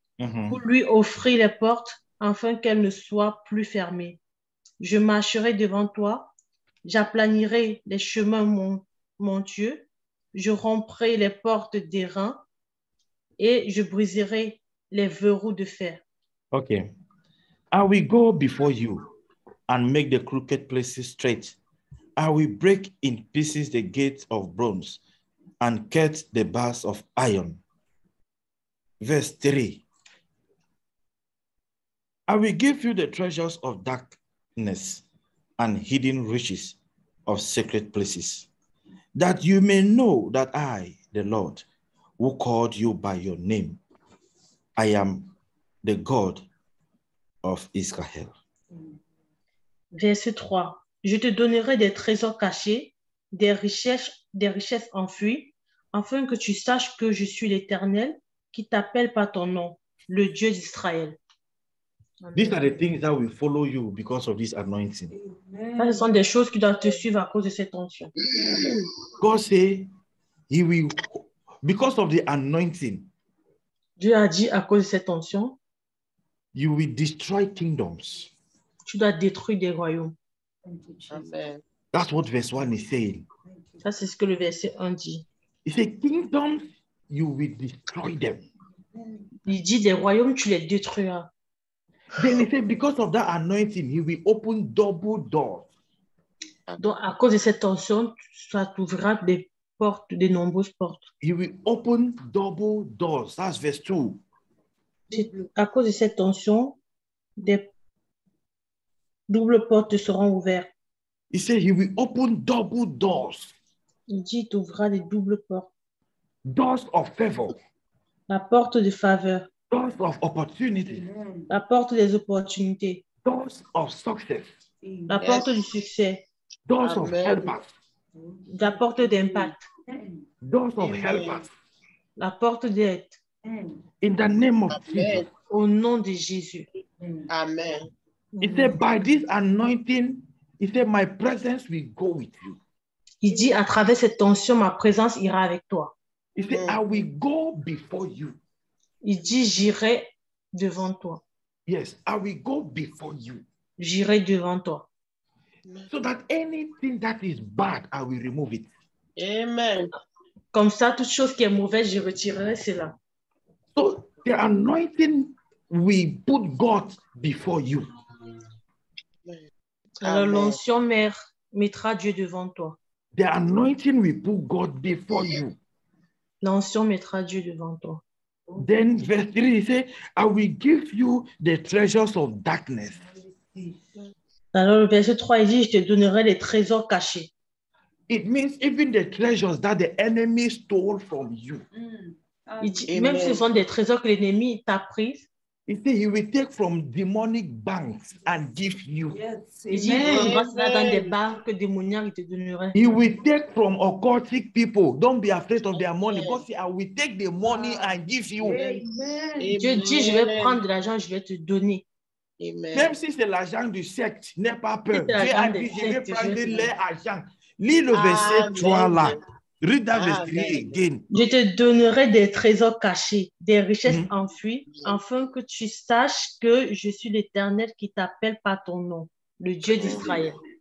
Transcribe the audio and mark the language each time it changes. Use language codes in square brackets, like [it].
[fr] Pour lui offrir les portes afin qu'elles ne soient plus fermées. Je marcherai devant toi, j'aplanirai les chemins montueux, je romprai les portes d'airain et je briserai les verrous de fer. Ok. [en] I will go before you and make the crooked places straight. I will break in pieces the gates of bronze and cut the bars of iron. Verse 3. I will give you the treasures of darkness and hidden riches of secret places. that you may know that I, the Lord, who called you by your name, I am the God of Israel. [fr] Verset 3. Je te donnerai des trésors cachés, des richesses enfouies, afin que tu saches que je suis l'Éternel qui t'appelle par ton nom, le Dieu d'Israël. [en] These are the things that will follow you because of this anointing. [fr] Ce sont des choses qui doivent te suivre à cause de cette onction. [en] God said he will, because of the anointing. [fr] Dieu a dit à cause de cette onction. [en] You will destroy kingdoms. [fr] Tu dois détruire des royaumes. [en] Amen. That's what verse 1 is saying. [fr] Ça, c'est ce que le verset 1 dit. [en] He said, kingdoms, you will destroy them. [fr] Il dit, des royaumes, tu les détruiras. [en] Then he said, because of that anointing, he will open double doors. [fr] Donc, à cause de cette tension, ça t'ouvrira des portes, de nombreuses portes. [en] He will open double doors. That's verse 2. [fr] À cause de cette tension, des doubles portes seront ouvertes. [en] He said, he will open double doors. [fr] Il dit, tu ouvras des doubles portes. [en] Doors of favor. [fr] La porte de faveur. [en] Doors of opportunity. [fr] La porte des opportunités. [en] Doors of success. [fr] La porte du succès. [en] Doors of helpers. [fr] La porte d'impact. [en] Doors of helpers. [fr] La porte d'aide. [en] In the name of Jesus. [fr] Au nom de Jésus. [en] Amen. He said, by this anointing, he said, my presence will go with you. [fr] Il dit, à travers cette tension, ma présence ira avec toi. [en] He said, I will go before you. [fr] Il dit, j'irai devant toi. [en] Yes, I will go before you. [fr] J'irai devant toi. [en] So that anything that is bad, I will remove it. Amen. [fr] Comme ça, toute chose qui est mauvaise, je retirerai cela. [en] So, the anointing will put God before you. [fr] Alors, l'onction mère mettra Dieu devant toi. [en] The anointing will put God before you. [fr] L'onction mettra Dieu devant toi. [en] Then verse 3, he says, I will give you the treasures of darkness. [fr] Alors le verset 3, il dit, je te donnerai les trésors cachés. [en] It means even the treasures that the enemy stole from you. [fr] Même si ce sont des trésors que l'ennemi t'a pris. [en] He said he will take from demonic banks and give you. Yes. He will take from occultic people. Don't be afraid of their money. God said, I will take the money and give you. [fr] Dieu dit, je vais prendre l'argent, je vais te donner. Même si c'est l'argent du secte, n'aie pas peur. Dieu a dit, je vais prendre l'argent. Lis le verset 3 là. Je te donnerai des trésors cachés, des richesses enfouies, afin que tu saches que je suis l'Éternel qui t'appelle par ton nom, le Dieu d'Israël.